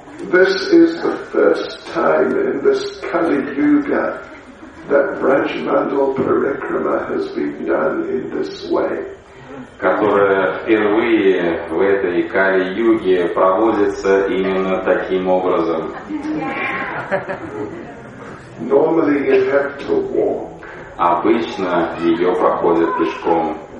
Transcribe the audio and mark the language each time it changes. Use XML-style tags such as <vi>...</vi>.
<en>This is the first time in this Kali Yuga that Vraj Mandal Parikrama has been done in this way.</en> <ru>Которая впервые в этой Кали-юге проводится именно таким образом.</ru> <en>Normally you have to walk.</en> <ru>Обычно ее проходят пешком.</ru>